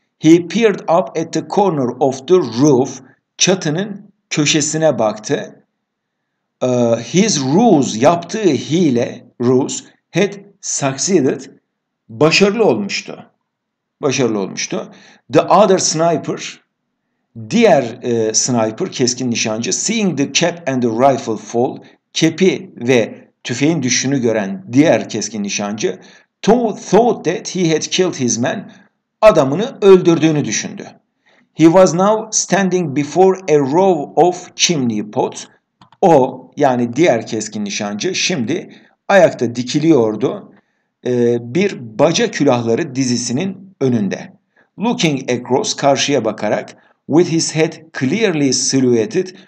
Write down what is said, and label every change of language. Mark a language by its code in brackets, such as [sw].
[en] He peered up at the corner of the roof. [tr] Çatının köşesine baktı. [en] His ruse, [tr] yaptığı hile, [en] ruse, had succeeded, [tr] başarılı olmuştu. Başarılı olmuştu. [en] The other sniper, [tr] diğer sniper, keskin nişancı, [en] seeing the cap and the rifle fall, [tr] cap'i ve tüfeğin düşünü gören diğer keskin nişancı, [en] thought that he had killed his man, [tr] adamını öldürdüğünü düşündü. [en] He was now standing before a row of chimney pots. [tr] O, yani diğer keskin nişancı, şimdi ayakta dikiliyordu bir baca külahları dizisinin önünde. [en] Looking across, [tr] karşıya bakarak, [en] with his head clearly silhouetted,